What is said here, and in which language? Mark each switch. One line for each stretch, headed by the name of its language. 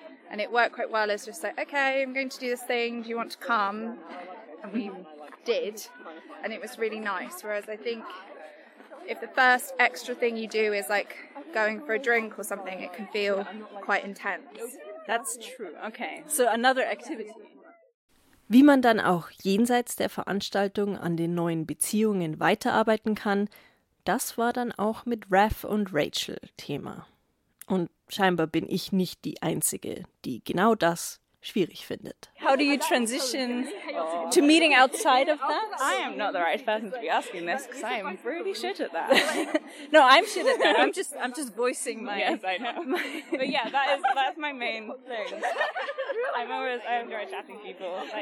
English: And it worked quite well as just like, okay, I'm going to do this thing, do you want to come? And we did. And it was really nice. Whereas I think if the first extra thing you do is like going for a drink or something, it can feel quite intense. That's true. Okay. So another activity.
German: Wie man dann auch jenseits der Veranstaltung an den neuen Beziehungen weiterarbeiten kann, das war dann auch mit Raph und Rachel Thema. Und scheinbar bin ich nicht die Einzige, die genau das schwierig findet.
English: How do you transition to meeting outside of that? I am not the right person to be asking this, because I am really shit at that. No, I'm shit at that. I'm just voicing my... Yes, I know. But yeah, that's my main thing. I enjoy chatting people.